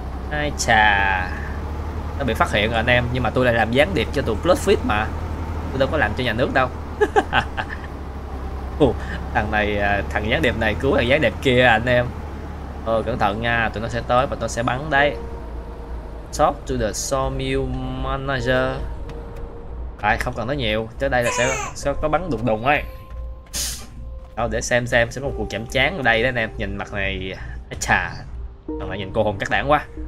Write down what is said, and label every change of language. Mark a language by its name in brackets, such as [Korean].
[Vietnamese] Ai chà, nó bị phát hiện rồi anh em, nhưng mà tôi lại làm gián điệp cho tụi Bloodfeet mà, tôi đâu có làm cho nhà nước đâu. Thằng này, thằng gián điệp này cứu thằng gián điệp kia anh em. Cẩn thận nha, tụi nó sẽ tới và tôi sẽ bắn đấy. [English] Talk to the sawmill manager. [Vietnamese] Ai, không cần nói nhiều, tới đây là sẽ có bắn đùng đùng ấy. Đâu, để xem sẽ có một cuộc chạm trán ở đây đấy anh em. Nhìn mặt này, ai chà, thằng này nhìn cô hồn cắt đảng quá.